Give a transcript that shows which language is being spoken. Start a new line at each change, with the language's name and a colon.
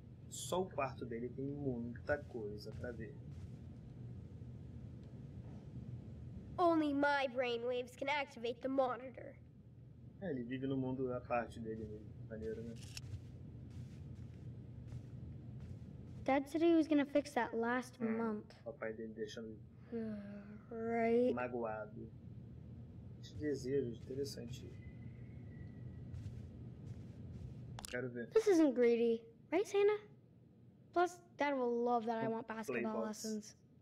Portuguese: Só o quarto dele tem muita coisa pra ver.
English: Only my brainwaves can activate the monitor.
Portuguese: É, ele vive no mundo a parte dele mesmo. Maneiro, né?
English: Dad said he was gonna fix that last month.
Portuguese: O pai dele deixando
English: right.
Portuguese: Magoado. Esse desejo é interessante. Quero ver.
English: This isn't greedy, right, Santa? Plus, Dad will love that I want basketball lessons.